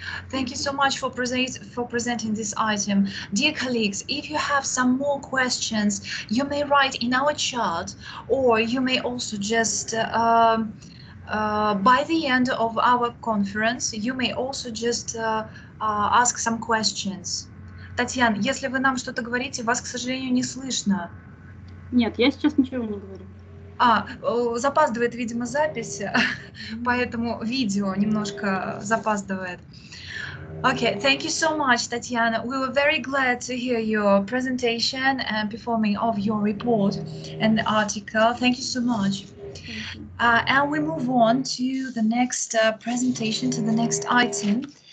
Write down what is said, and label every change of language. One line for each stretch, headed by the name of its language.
English: Thank you so much for presenting this item. Dear colleagues, if you have some more questions, you may write in our chat, or you may also just, by the end of our conference, you may also just ask some questions.
Russian: Татьяна, если вы нам что-то говорите, вас, к сожалению, не слышно. Нет, я сейчас ничего не говорю. А, запаздывает, видимо, запись, поэтому видео немножко запаздывает.
English: Okay, thank you so much, Tatiana. We were very glad to hear your presentation and performing of your report and the article. Thank you so much. And we move on to the next presentation, to the next item.